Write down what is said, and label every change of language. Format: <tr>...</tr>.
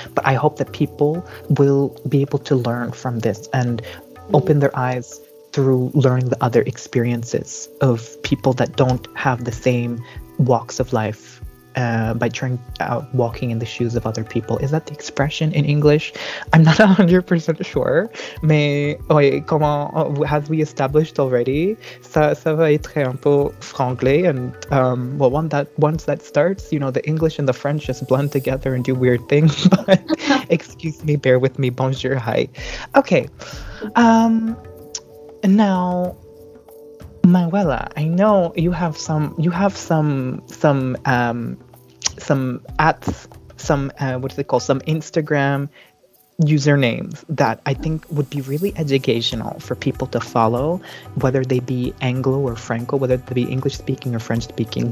<en>But I hope that people will be able to learn from this and open their eyes through learning the other experiences of people that don't have the same walks of life by trying out walking in the shoes of other people. Is that the expression in English? I'm not 100% sure.</en> <fr>Mais, oui, comment,</fr> <en>as we established already,</en> <fr>ça va être un peu franglais.</fr> <en>And, well, once that starts, you know, the English and the French just blend together and do weird things. But excuse me, bear with me. Bonjour, hi. Okay. Now, Manuela, I know you have some Instagram usernames that I think would be really educational for people to follow, whether they be Anglo or Franco, whether they be English speaking or French speaking.</en>